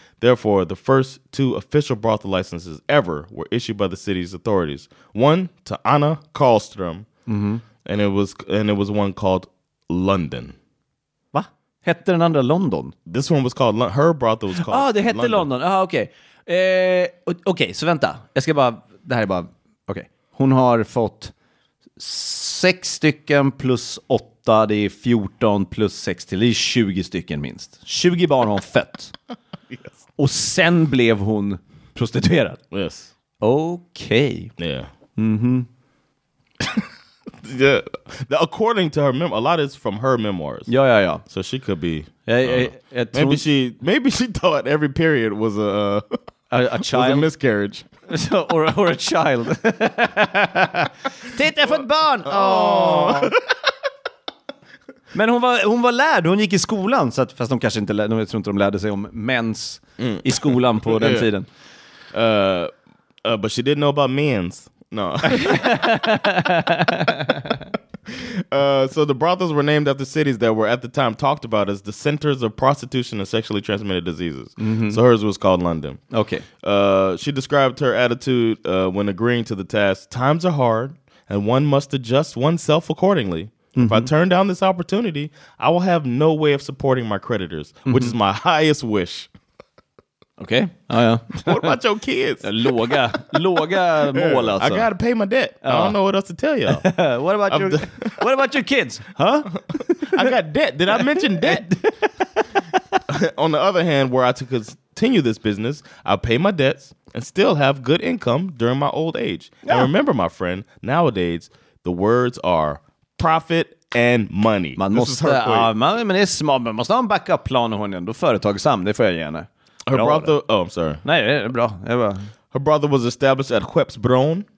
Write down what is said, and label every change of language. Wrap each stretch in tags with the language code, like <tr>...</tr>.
<en>Therefore, the first 2 official brothel licenses ever were issued by the city's authorities. One to Anna Karlström, mm-hmm. and it was one called London.</en> <sv>Va? Hette den andra London?</sv> <en>This one was called, her brothel was called</en> <sv>London. Ah, det hette London. London. Okej. Okay. Okay, så vänta. Jag ska bara, det här är bara, okej. Okay. Hon har fått 6 stycken plus 8. Det är 14 plus 6 till. Det är 20 stycken minst. 20 barn har hon fött. Yes. Och sen blev hon prostituerad.</sv> <en>Yes.</en> <sv>Okej.</sv> <en>Okay. Yeah. Mm-hmm. Yeah. According to her a lot is from her memoirs.</en> <sv>Ja, ja, ja.</sv> <en>So she could be...</en> <sv>Jag</sv> <en>maybe she thought every period was a... A child. Was a miscarriage. or a child.</en> <sv>Titta, jag får ett barn! Men hon var lärd, hon gick i skolan, så att, fast de kanske inte lärde, jag tror inte de lärde sig om mens i skolan på den tiden.</sv> <en>But she didn't know about mens. No. So the brothels were named after cities that were at the time talked about as the centers of prostitution and sexually transmitted diseases. Mm-hmm. So hers was called London. Okay. She described her attitude when agreeing to the task, times are hard and one must adjust oneself accordingly. Mm-hmm. If I turn down this opportunity, I will have no way of supporting my creditors, mm-hmm. which is my highest wish. Okay. Oh, yeah. What about your kids?</en> <sv>Låga mål, alltså.</sv> <en>I got to pay my debt. I don't know what else to tell y'all. What about your kids? Huh? I got debt. Did I mention debt? On the other hand, were I to continue this business, I'll pay my debts and still have good income during my old age. Yeah. And remember, my friend, nowadays, the words are... profit and money.</en> <sv>Man måste, men det är smart. Man måste ha en backup plan och hon är ändå företagsam. Det får jag gärna.</sv> <en>Her brother, I'm sorry.</en> <sv>Nej, det är bra. Det var.</sv> <en>Her brother was established at Skeppsbron.</en>